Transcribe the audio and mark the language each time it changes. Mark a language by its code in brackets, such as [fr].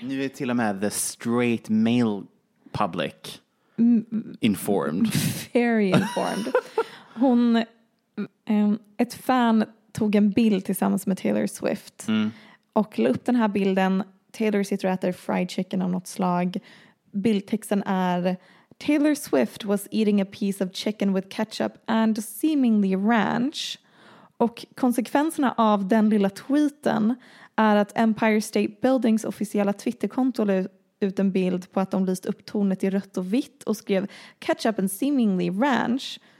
[sv] Nu är till och med [en] the straight male public informed. Very informed. [sv] Hon, ett fan tog en bild tillsammans med Taylor Swift. Mm. Och la upp den här bilden. Taylor sitter och äter [en] fried chicken [sv] av något slag. Bildtexten är: [en] Taylor Swift was eating a piece of chicken with ketchup and seemingly ranch. [sv] Och konsekvenserna av den lilla tweeten är att Empire State Buildings officiella Twitterkonto la ut en bild på att de lyste upp tornet i rött och vitt och skrev [en] ketchup and seemingly ranch.